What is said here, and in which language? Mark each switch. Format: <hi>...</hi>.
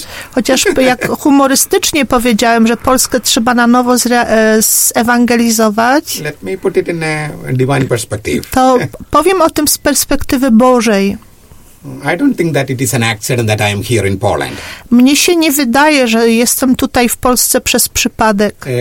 <pl>Chociaż jak humorystycznie powiedziałem, że Polskę trzeba na nowo zewangelizować,</pl> <en>let me put it in a divine perspective.</en> <pl>To powiem o tym z perspektywy Bożej.</pl> <en>I don't think that it is an accident that I am here in Poland.</en> <pl>Mnie się nie wydaje, że jestem tutaj w Polsce przez przypadek.</pl>